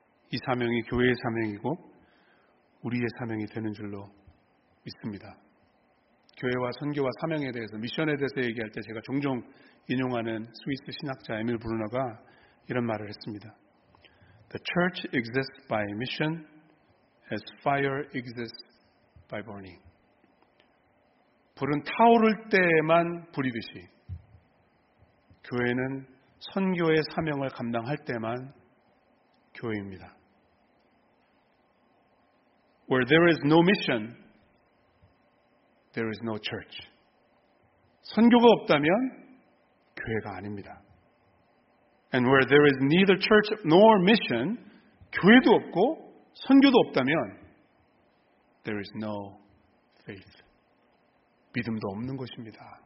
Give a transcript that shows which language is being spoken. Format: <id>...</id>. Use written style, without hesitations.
<ko>이 사명이 교회의 사명이고 우리의 사명이 되는 줄로 믿습니다. 교회와 선교와 사명에 대해서 미션에 대해서 얘기할 때 제가 종종 인용하는 스위스 신학자 에밀 브루너가 이런 말을 했습니다.</ko> <en>The church exists by mission as fire exists by burning.</en> <ko>불은 타오를 때에만 불이듯이 교회는 선교의 사명을 감당할 때만 교회입니다.</ko> <en>Where there is no mission, there is no church.</en> <ko>선교가 없다면 교회가 아닙니다.</ko> <en>And where there is neither church nor mission,</en> <ko>교회도 없고 선교도 없다면</ko> <en>there is no faith.</en> <ko>믿음도 없는 것입니다.</ko>